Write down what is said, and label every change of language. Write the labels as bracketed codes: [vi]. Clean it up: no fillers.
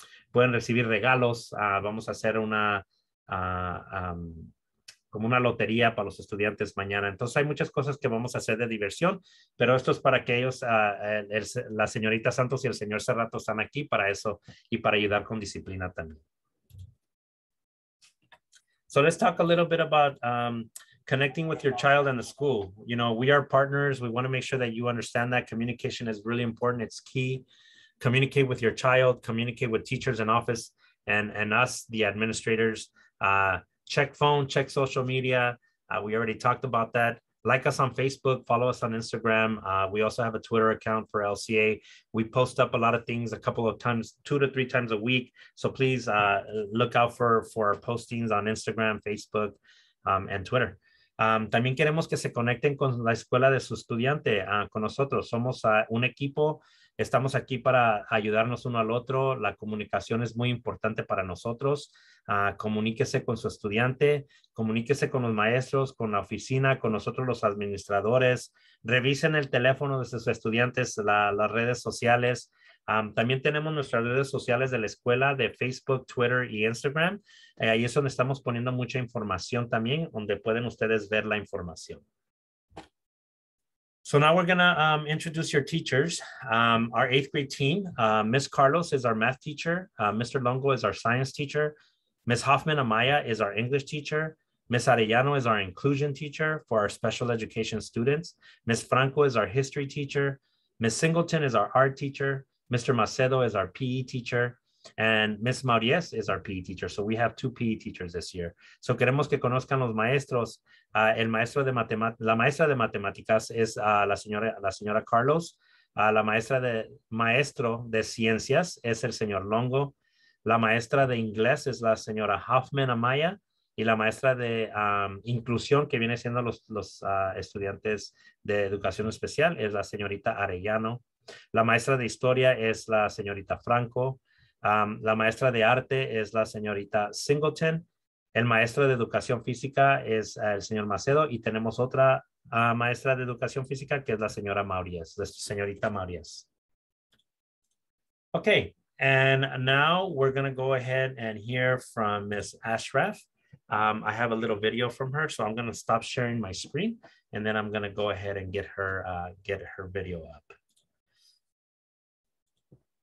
[es] Pueden recibir regalos. Vamos a hacer una como una lotería para los estudiantes mañana. Entonces hay muchas cosas que vamos a hacer de diversión, pero esto es para que ellos, la señorita Santos y el señor Cerrato están aquí para eso y para ayudar con disciplina también. [en] So let's talk a little bit about connecting with your child and the school. You know, we are partners. We want to make sure that you understand that communication is really important. It's key. Communicate with your child, communicate with teachers and office and us, the administrators. Check phone, check social media. We already talked about that. Like us on Facebook, follow us on Instagram. We also have a Twitter account for LCA. We post up a lot of things a couple of times, 2 to 3 times a week. So please look out for our postings on Instagram, Facebook, and Twitter. [es] También queremos que se conecten con la escuela de su estudiante, con nosotros. Somos un equipo. Estamos aquí para ayudarnos uno al otro. La comunicación es muy importante para nosotros. Comuníquese con su estudiante, comuníquese con los maestros, con la oficina, con nosotros los administradores. Revisen el teléfono de sus estudiantes, las redes sociales. También tenemos nuestras redes sociales de la escuela de Facebook, Twitter y Instagram. Ahí es donde estamos poniendo mucha información también, donde pueden ustedes ver la información. [en] So now we're going to introduce your teachers. Our eighth grade team, Ms. Carlos is our math teacher. Mr. Longo is our science teacher. Ms. Hoffman Amaya is our English teacher. Ms. Arellano is our inclusion teacher for our special education students. Ms. Franco is our history teacher. Ms. Singleton is our art teacher. Mr. Macedo is our PE teacher. And Ms. Maurias is our PE teacher. So we have two PE teachers this year. [es] So queremos que conozcan los maestros. La maestra de matemáticas es la señora Carlos. La maestra de maestro de ciencias es el señor Longo. La maestra de inglés es la señora Hoffman Amaya. Y la maestra de inclusión, que viene siendo los estudiantes de educación especial, es la señorita Arellano. La maestra de historia es la señorita Franco. La maestra de arte es la señorita Singleton. El maestro de educación física es el señor Macedo. Y tenemos otra maestra de educación física, que es la señora Maurias, la señorita Maurias. [en] Okay. And now we're going to go ahead and hear from Ms. Ashraf. I have a little video from her, so I'm going to stop sharing my screen, and then I'm going to go ahead and get her video up.